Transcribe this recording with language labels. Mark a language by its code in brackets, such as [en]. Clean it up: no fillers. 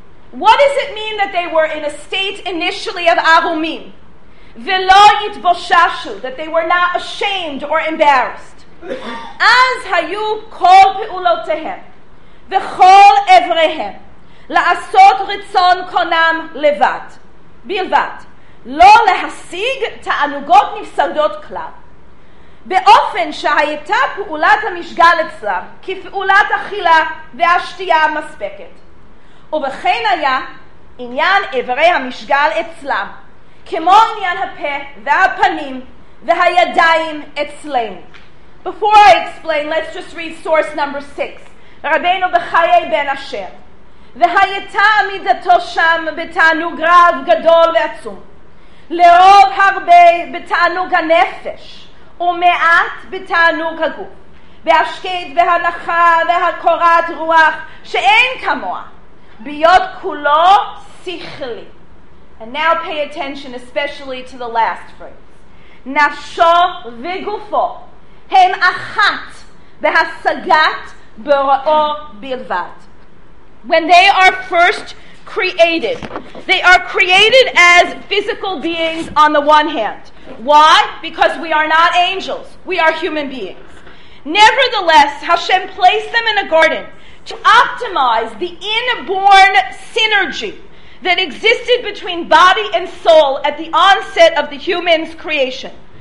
[en] what does it mean that they were in a state initially of [he] arumim, velo yitboshashu, [en] that they were not ashamed or embarrassed, as [he] hayu kol pe'ulotehem, v'chol evrehem, la'asot ritzon konam levat, bilvat, lo lehasig ta'anugot nifsadot klav. באופן שהייתה פעולת המשגל אצלם כפעולת אכילה והשתייה המספקת. ובכן היה עניין איברי המשגל אצלם, כמו עניין הפה והפנים והידיים אצלנו. [en] Before I explain, let's just read source number 6. [he] רבינו בחיי בן אשר. והייתה עמידתו שם בתענוג רב גדול ועצום. לרוב הרבה בתענוג הנפש. ומעט בתענוג הגוף, בהשקט והנחה והקורת רוח שאין כמוה, ביות כולו שכלי. [en] And now pay attention especially to the last phrase. [he] נפשו וגופו הם אחת בהשגת בוראו בלבד. [en] When they are first created, they are created as physical beings on the one hand. Why? Because we are not angels. We are human beings. Nevertheless, Hashem placed them in a garden to optimize the inborn synergy that existed between body and soul at the onset of the human's creation.